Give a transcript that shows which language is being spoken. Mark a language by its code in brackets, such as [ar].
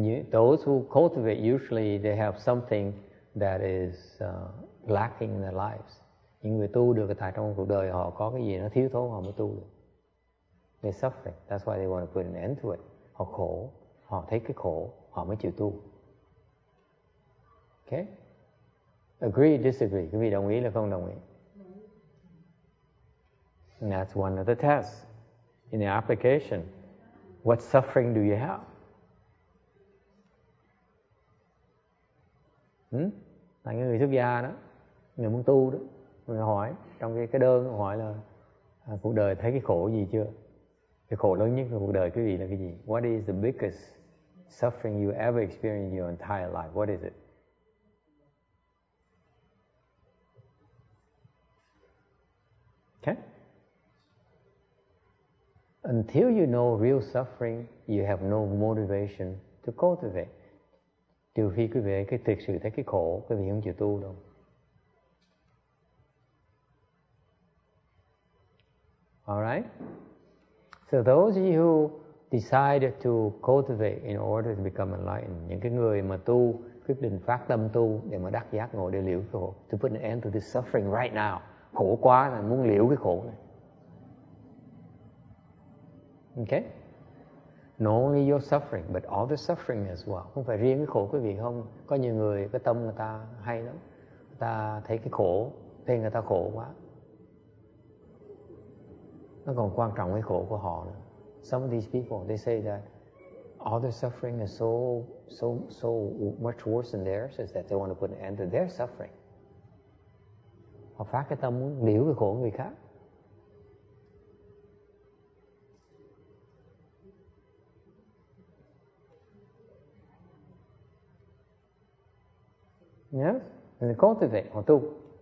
[en] Those who cultivate, usually they have something that is lacking in their lives. [vi] Những người tu được tại trong cuộc đời họ có cái gì nó thiếu thốn họ mới tu được. [en] They suffering. That's why they want to put an end to it. [vi] Họ khổ, họ thấy cái khổ, họ mới chịu tu. [en] Okay? Agree, disagree. [vi] Quý vị đồng ý là không đồng ý? [en] And that's one of the tests. In the application, what suffering do you have? [vi] Là cái người xuất gia đó, người muốn tu đó, người hỏi, trong cái đơn hỏi là cuộc đời thấy cái khổ gì chưa? Cái khổ lớn nhất của cuộc đời quý vị là cái gì? [en] What is the biggest suffering you ever experienced in your entire life? What is it? Okay? Until you know real suffering, you have no motivation to cultivate. [vi] Trừ khi quý vị cái thực sự thấy cái khổ, quý vị không chịu tu đâu. [en] All right? So those of you who decided to cultivate in order to become enlightened, [vi] những cái người mà tu quyết định phát tâm tu để mà đắc giác ngồi để liễu khổ. [en] To put an end to this suffering right now. [vi] Khổ quá là muốn liễu cái khổ này. [en] Okay? Not only your suffering, but all the suffering as well. [vi] Không phải riêng cái khổ quý vị không? Có nhiều người, cái tâm người ta hay lắm. Người ta thấy cái khổ, thấy người ta khổ quá. Nó còn quan trọng cái khổ của họ nữa. [en] Some of these people, they say that all the suffering is so much worse than theirs, is that they want to put an end to their suffering. [vi] Họ phát cái tâm muốn liễu cái khổ của người khác. [en] Yes, and cultivate or do.